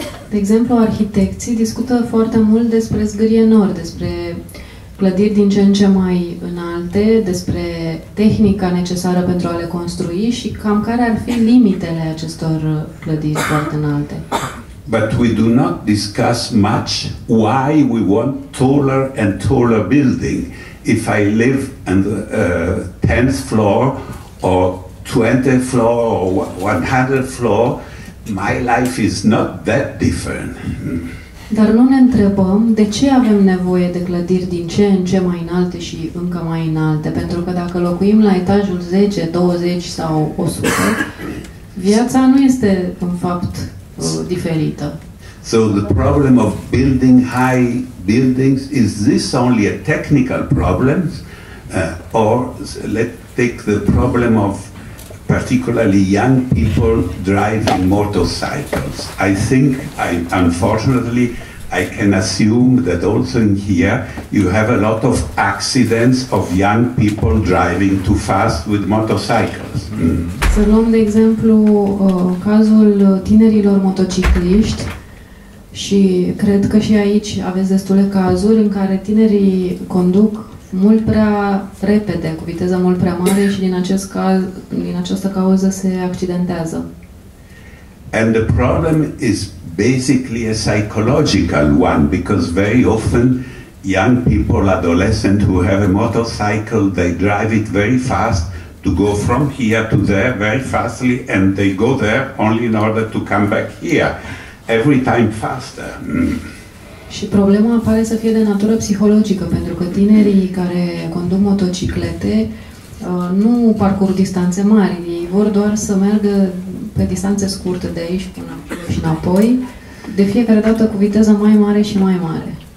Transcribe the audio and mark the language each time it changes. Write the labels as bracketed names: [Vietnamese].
[Romanian] De exemplu, arhitecții discută foarte mult despre zgârie nori, despre clădiri din ce în ce mai înalte, despre tehnica necesară pentru a le construi și cam care ar fi limitele acestor clădiri foarte înalte. [English] But we do not discuss much why we want taller and taller building. If I live on the 10th floor or 20th floor or 100th floor, my life is not that different. [Romanian] Dar nu ne întrebăm de ce avem nevoie de clădiri din ce în ce mai înalte și încă mai înalte, pentru că dacă locuim la etajul 10, 20 sau 100, viața nu este în fapt diferită. [English] So the problem of building high buildings, is this only a technical problem, or let's take the problem of particularly young people driving motorcycles. I think, unfortunately, I can assume that also in here you have a lot of accidents of young people driving too fast with motorcycles. [Romanian] Să luăm de exemplu cazul tinerilor motocicliști și cred că și aici aveți destule cazuri în care tinerii conduc mult prea repede, cu viteză mult prea mare și din acest caz, din această cauză se accidentează. [English] And the problem is basically a psychological one, because very often young people, adolescents who have a motorcycle, they drive it very fast to go from here to there very fastly, and they go there only in order to come back here every time faster. [Romanian] Și problema pare să fie de natură psihologică, pentru că tinerii care conduc motociclete nu parcurg distanțe mari, ei vor doar să meargă pe distanțe scurte de aici până și înapoi, de fiecare dată cu viteză mai mare și mai mare.